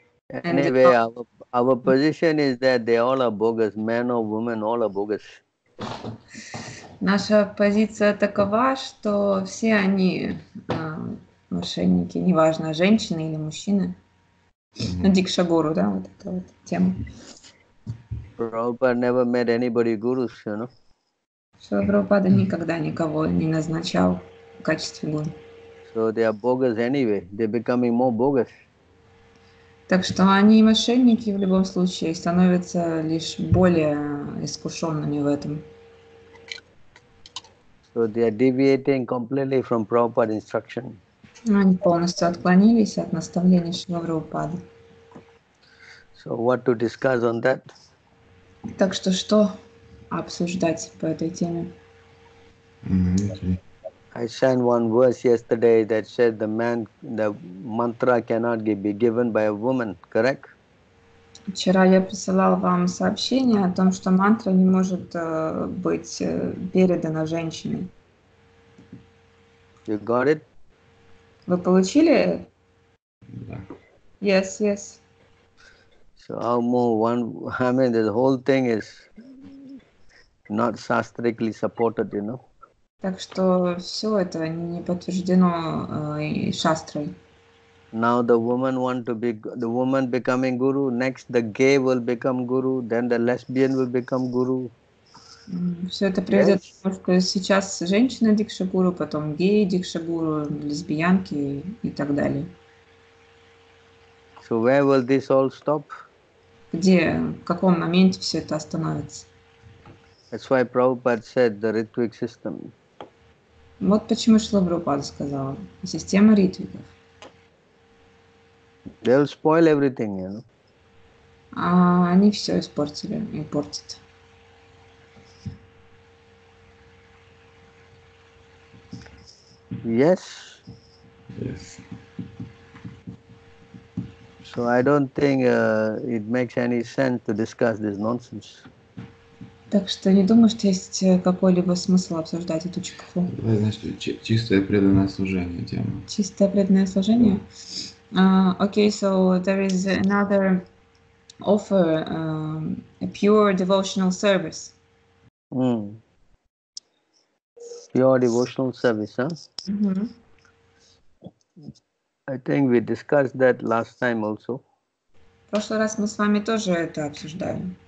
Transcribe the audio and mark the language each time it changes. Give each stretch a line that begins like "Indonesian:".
English: Anyway, our position is that they all are bogus, men or women, all are bogus.
Russian: Наша позиция такова, что все они мошенники, неважно, женщины или мужчины. Дикша гуру, да, вот эта вот тема.
English: Prabhupada never met anybody gurus, you know.
Russian: Шрила Прабхупада никогда никого не назначал в качестве гуру.
English: So they are bogus anyway. They're becoming more bogus.
Russian: Так что они мошенники в любом случае становятся лишь более искушенными в этом.
English: So they are deviating completely from Prabhupada instruction.
Russian: Они полностью отклонились от наставления Шрила Прабхупады.
English: So what to discuss on that?
Russian: Так что что обсуждать по этой теме?
English: I sang one verse yesterday that said the man, the mantra cannot be given by a woman, correct?
Russian: Вчера я присылал вам сообщение о том, что мантра не может быть передана женщине.
English: You got it?
Russian: Вы получили?
English: Yeah. Yes, yes. So I'll move one, I mean, the whole thing is not shastrically supported, you know.
Russian: Так что все это не подтверждено шастрой.
English: Now the woman want to be the woman becoming guru. Next the gay will become guru. Then the lesbian will become guru.
Russian: Все это приведет, yes? Что сейчас женщина дикша гуру, потом гей дикша гуру, лесбиянки и так далее.
English: So where will this all stop?
Russian: Где, в каком моменте все это остановится?
English: That's why Prabhupada said the Ritvik system.
Russian: Вот почему Шрила Прабхупада сказал. Система ритвиков.
English: They'll spoil everything, you know.
Russian: А они все испортили и портят.
English: Yes. Yes. So I don't think it makes any sense to discuss this nonsense. Так что не думаю, что есть какой-либо смысл обсуждать эту чепуху.
Russian: Давай, знаешь, чистое преданное служение тема. Чистое преданное служение?
English: Okay, so there is another offer, a pure devotional service. Mm. Pure devotional service, huh? Mm-hmm. I think we discussed that last time also.
Russian: В прошлый раз мы с вами тоже это обсуждали.